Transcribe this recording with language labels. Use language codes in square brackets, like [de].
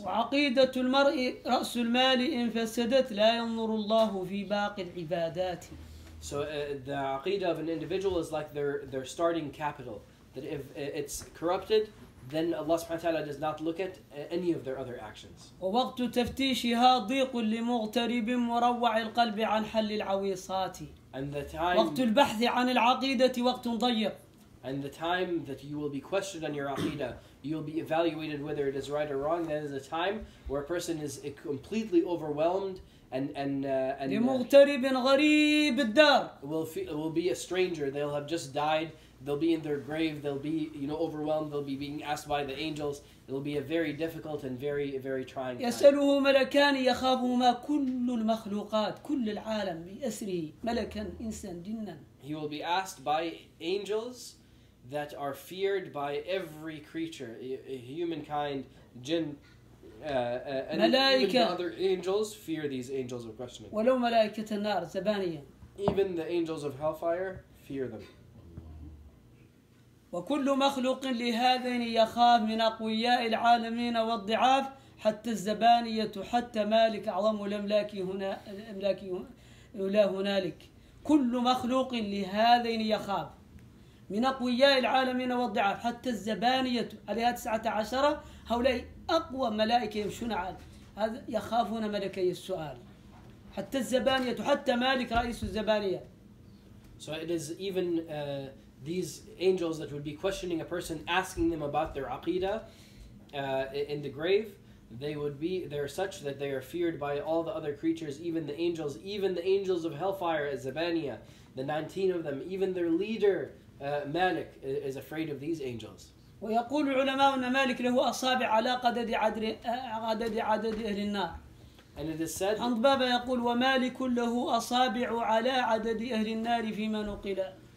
[ar] وعقيدة المرء رأس المال إن فسدت لا ينظر الله في باقي العبادات. [en] So the aqidah of an individual is like their starting capital. That if it's corrupted, then Allah subhanahu wa ta'ala does not look at any of their other actions. [ar] وَوَقْتُ تَفْتِيشِهَا ضِيقٌ لِمُغْتَرِبٍ مُرَوَّعِ الْقَلْبِ عَنْ حَلِّ الْعَوِيصَاتِ. [en] And the time... [ar] وَقْتُ الْبَحْثِ عَنِ الْعَقِيدَةِ وَقْتٌ ضَيِّقٌ. [en] And the time that you will be questioned on your aqidah, you will be evaluated whether it is right or wrong, that is a time where a person is completely overwhelmed and [ar] لِمُغْتَرِبٍ غَرِيبِ الدَّارِ. [en] Will be a stranger, they'll have just died. They'll be in their grave, they'll be, you know, overwhelmed, they'll be being asked by the angels. It'll be a very difficult and very, very trying time. [ar] يسأله ملكان يخافه ما كل المخلوقات كل العالم بأسره ملكا إنسان جنا. [en] He will be asked by angels that are feared by every creature, humankind, jinn, [ar] ملائكة. [en] And even other angels fear these angels of questioning. [ar] ولو ملائكة النار زبانية. [en] Even the angels of hellfire fear them. [ar] وكل مخلوق لهذين يخاف من أقوياء العالمين والضعاف حتى الزبانية حتى مالك أعظم الأملاك هنا الأملاك ولا هنالك كل مخلوق لهذين يخاف من أقوياء العالمين والضعاف حتى الزبانية عليها 19 هؤلاء أقوى ملائكة يمشون على هذا يخافون ملكي السؤال حتى الزبانية حتى مالك رئيس الزبانية. [en] So it is even these angels that would be questioning a person, asking them about their aqidah in the grave, they're such that they are feared by all the other creatures, even the angels of hellfire, Zabaniya, the 19 of them, even their leader, Malik, is afraid of these angels. [ar] ويقول العلماء أن مالك له أصابع على قدد عدد عدد أهل النار. [en] And it is said. [ar] عن بابا يقول ومالك له أصابع على عدد أهل النار فيما نقل.